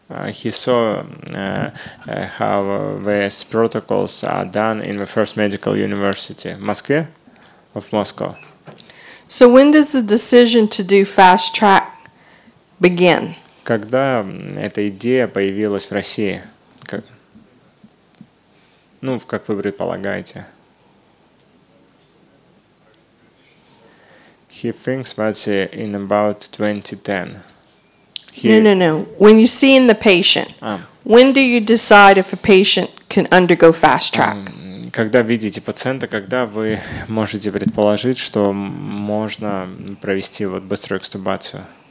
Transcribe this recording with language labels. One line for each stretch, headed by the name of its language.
English: He saw how these protocols are done in the first medical university
Russian: в Москве,
English: of Moscow. So when does the decision to do fast track begin?
Russian: Когда эта идея появилась в России? Как вы предполагаете?
English: He thinks that in about 2010. No. When you see in the patient, when do you decide if a patient can undergo fast track?
Russian: Когда видите пациента, когда вы можете предположить, что можно провести вот быструю экстубацию?